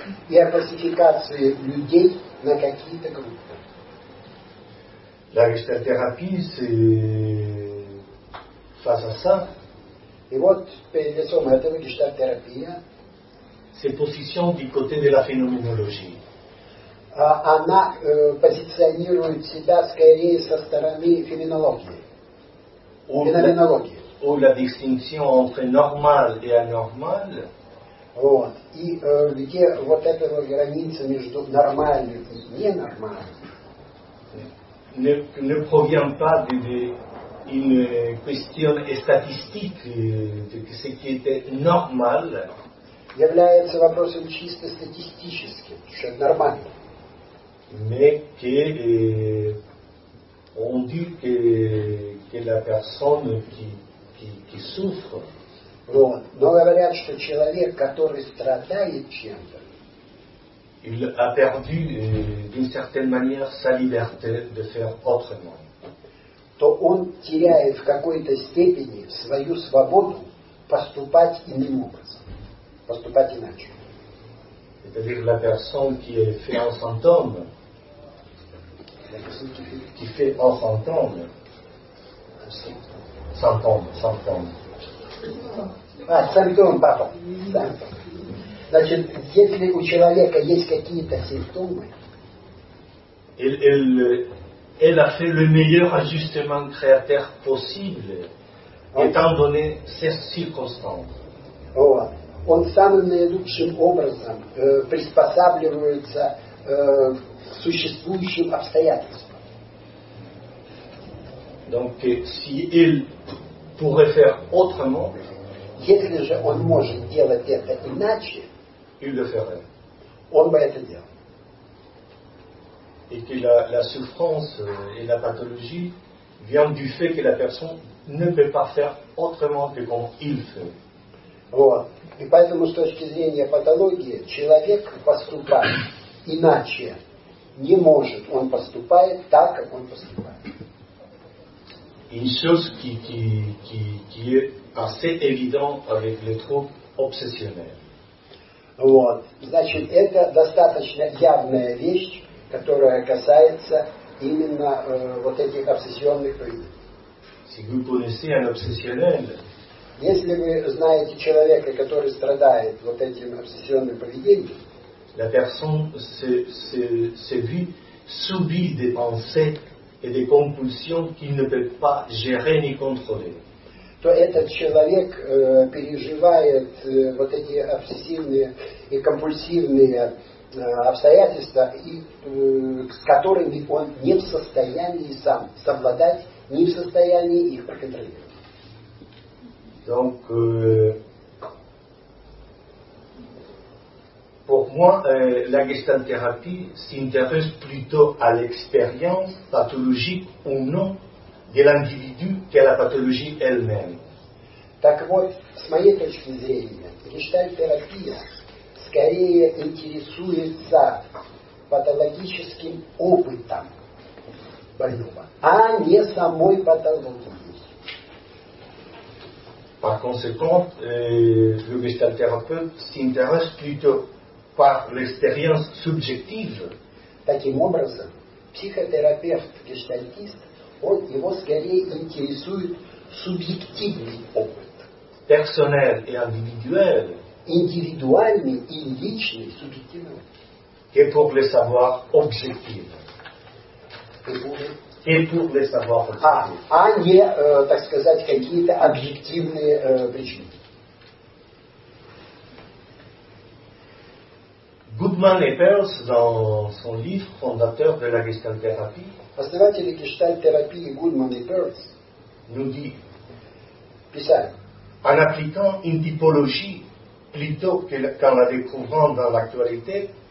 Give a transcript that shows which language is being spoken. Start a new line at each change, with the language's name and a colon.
Russian: И о классификации людей на какие-то группы.
French: La gestalt-thérapie, c'est face à ça.
Russian: И вот перед лицом этого гештальт-терапия.
French: C'est position du côté de la phénoménologie.
Russian: Она позиционирует себя скорее со стороны феноменологии.
French: Ou la distinction entre normal et anormal.
Russian: Вот. И где вот эта вот граница между нормальным и ненормальным.
French: Ne provient pas d'une question statistique de ce qui était normal.
Russian: Является вопросом чисто статистическим, что нормально.
French: Mais qu'on dit que la personne qui souffre.
Russian: Вот. Но говорят, что человек, который страдает чем-то,
French: il a perdu d'une certaine manière sa liberté de faire autrement.
Russian: То он теряет в какой-то степени свою свободу поступать иным образом, поступать иначе.
French: C'est-à-dire la personne qui est fait en symptôme. Qui fait en s'entendre. S'entendre. Ah, symptômes, pardon.
Russian: Значит, если у человека есть какие-то симптомы,
French: elle a fait le meilleur ajustement créateur possible, okay. Étant donné ses circonstances.
Russian: Oh, он самым наилучшим образом приспосабливается к существующим обстоятельствам.
French: Donc, si il pourrait faire autrement,
Russian: если же он может делать это иначе,
French: il le ferait.
Russian: он бы это делал.
French: Et que la souffrance et la pathologie viennent du fait que la personne ne peut pas faire autrement que comme il fait.
Russian: Вот. И поэтому с точки зрения патологии человек поступает иначе не может. Он поступает так, как он поступает.
French: Une chose qui est assez évident avec le trouble obsessionnel.
Russian: Вот. Значит, это достаточно явная вещь, которая касается именно вот этих обсессионных поведений. Если вы знаете человека, который страдает вот этим обсессионным поведением,
French: la personne se vit subit des pensées et des compulsions qu'il ne peut pas gérer ni contrôler.
Russian: То этот человек переживает вот эти обсессивные и компульсивные обстоятельства, с которыми он не в состоянии сам совладать, не в состоянии их проконтролировать.
French: Donc, pour moi, la gestalt-thérapie s'intéresse plutôt à l'expérience pathologique ou non de l'individu qu'à la pathologie elle-même.
Russian: Так вот, с моей точки зрения, гештальт-терапия скорее интересуется патологическим опытом больного, а не самой патологией.
French: Par conséquent, le gestalt-thérapeute s'intéresse plutôt par l'expérience subjective.
Russian: Таким образом, психотерапевт-гештальтист, он его скорее интересует субъективный опыт.
French: Personnel et individuel.
Russian: Индивидуальный и личный, субъективный.
French: Que pour le savoir objectif.
Russian: А не, так сказать, какие-то объективные причины.
French: Goodman et Peirce, dans son livre, fondateur de la Gestalt-thérapie,
Russian: основатели Гештальт-терапии Goodman et Peirce,
French: nous dit,
Russian: писали,
French: en appliquant une typologie plutôt qu'en la découvrant dans l'actualité,